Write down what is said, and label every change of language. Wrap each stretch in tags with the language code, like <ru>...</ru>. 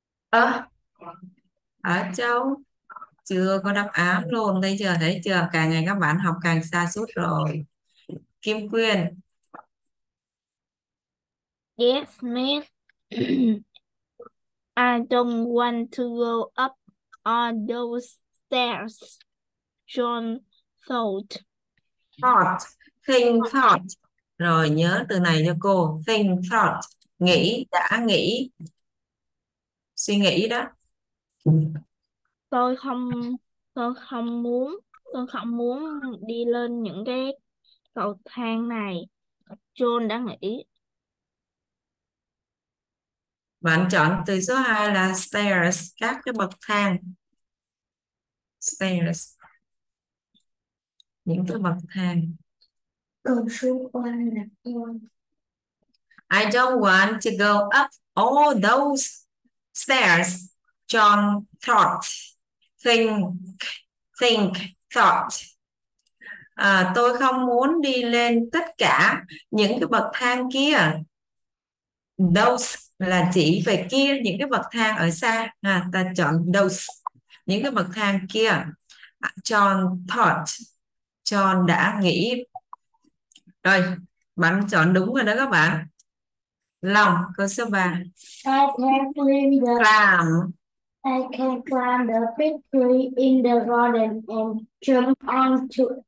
<vi>ở châu chưa có đáp án luôn, thấy chưa, thấy chưa, càng ngày các bạn học càng sa sút rồi. Kim Quyên.</vi> <en>Yes, Smith. I don't want to go up on those stairs. John thought. Thought, think thought.</en> <vi>Rồi nhớ từ này cho cô,</vi> <en>think thought,</en> <vi>nghĩ, đã nghĩ, suy nghĩ đó. Tôi không muốn đi lên những cái cầu thang này. John đã nghĩ. Bạn chọn từ số 2 là stairs, các cái bậc thang. Stairs. Những cái bậc thang. Cầu số 3 là con.</vi> <en>I don't want to go up all those stairs, John thought, think, thought.</en> <vi>Tôi không muốn đi lên tất cả những cái bậc thang kia. Those là chỉ về kia, những cái bậc thang ở xa. Ta chọn those, những cái bậc thang kia.</vi> <en>John thought,</en> <vi>John đã nghĩ. Rồi, bạn chọn đúng rồi đó các bạn. Long, câu số 3. Clam.</vi> <en>I can climb the big tree in the garden and jump onto</en>